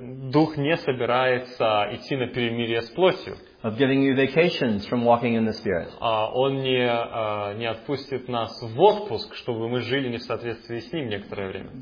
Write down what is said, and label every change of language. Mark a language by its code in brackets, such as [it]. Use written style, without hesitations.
[ru] Дух не собирается идти на перемирие с плотью. [en] Of giving you vacations from walking in the Spirit. [ru] Он не отпустит нас в отпуск, чтобы мы жили не в соответствии с Ним некоторое время.